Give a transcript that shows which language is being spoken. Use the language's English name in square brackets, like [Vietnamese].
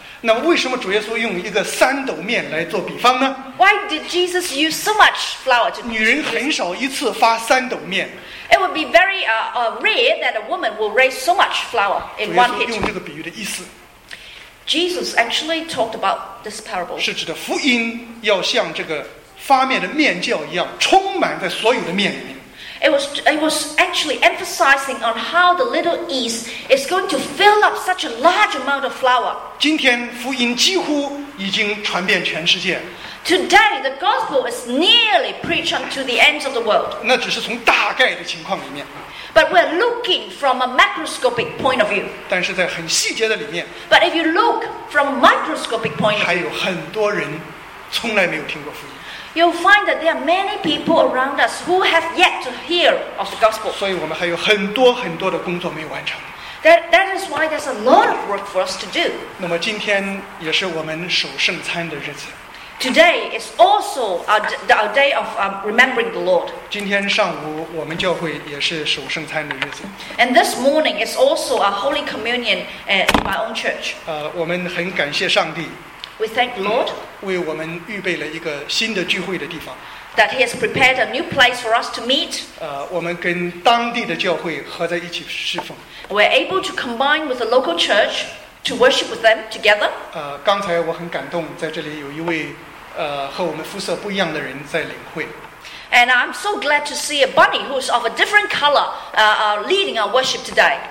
[Chinese] 那为什么主耶稣用一个三斗面来做比方呢？ [English] Why did Jesus use so much flour? [Chinese] 女人很少一次发三斗面。 [English] It would be very rare that a woman will raise so much flour in one hit. [Chinese] 主耶稣用这个比喻的意思。 [English] Jesus actually talked about this parable. [Chinese] 是指的福音要像这个发面的面酵一样，充满在所有的面里面。 [English] It was actually emphasizing on how the little yeast is going to fill up such a large amount of flour. [Chinese] 今天福音几乎已经传遍全世界。 [English] Today the gospel is nearly preached unto the ends of the world. [Chinese] 那只是从大概的情况里面。 [English] But we're looking from a macroscopic point of view. [Chinese] 但是在很细节的里面。 [English] But if you look from a microscopic point of view, [Chinese] 还有很多人从来没有听过福音。 [English] You'll find that there are many people around us who have yet to hear of the gospel. [Chinese] 所以我们还有很多很多的工作没有完成。 [English] That is why there's a lot of work for us to do. [Chinese] 那么今天也是我们守圣餐的日子。 [English] Today is also our day of remembering the Lord. [Chinese] 今天上午我们教会也是守圣餐的日子。 [English] And this morning is also a holy communion in my own church. [Chinese] 我们很感谢上帝。 [English] We thank the Lord [Chinese] 为我们预备了一个新的聚会的地方。 [English] That He has prepared a new place for us to meet. [Chinese] 我们跟当地的教会合在一起侍奉。 [English] We're able to combine with the local church to worship with them together. [Chinese] 刚才我很感动，在这里有一位和我们肤色不一样的人在领会。 [English] And I'm so glad to see a bunny who's of a different color leading our worship today.